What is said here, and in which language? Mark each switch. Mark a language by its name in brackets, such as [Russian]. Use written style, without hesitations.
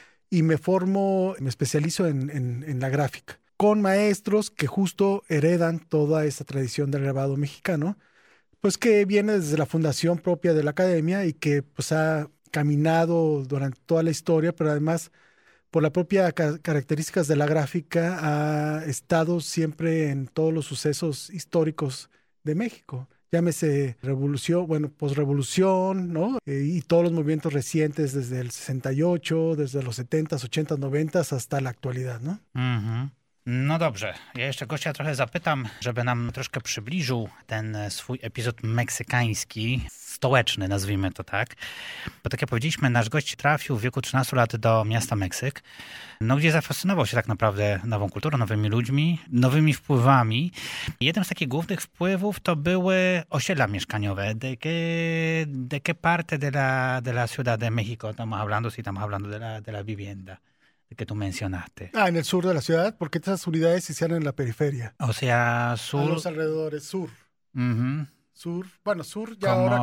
[Spanish] Y me especializo en la gráfica, con maestros que justo heredan toda esa tradición del grabado mexicano, pues que viene desde la fundación propia de la academia y que pues ha caminado durante toda la historia, pero además por las propias características de la gráfica ha estado siempre en todos los sucesos históricos de México. Llámese revolución, bueno, posrevolución, ¿no? Y todos los movimientos recientes desde el 68, desde los 70s, 80s, 90s hasta la actualidad, ¿no? [Polish] Mm-hmm. No dobrze. Ja jeszcze gościa trochę zapytam, żeby nam troszkę przybliżył ten swój epizod meksykański, stołeczny, nazwijmy to tak. Bo tak jak powiedzieliśmy, nasz gość trafił w wieku 13 lat do miasta Meksyk, no gdzie zafascynował się tak naprawdę nową kulturą, nowymi ludźmi, nowymi wpływami. Jednym z takich głównych wpływów to były osiedla mieszkaniowe. [Spanish] De qué parte de la ciudad de México estamos hablando, si estamos hablando de la vivienda? Que tú mencionaste. Ah, en el sur de la ciudad, porque esas unidades se hicieron en la periferia. O sea, sur. A los alrededores, sur. Uh-huh. Sur, bueno, sur ya como, ahora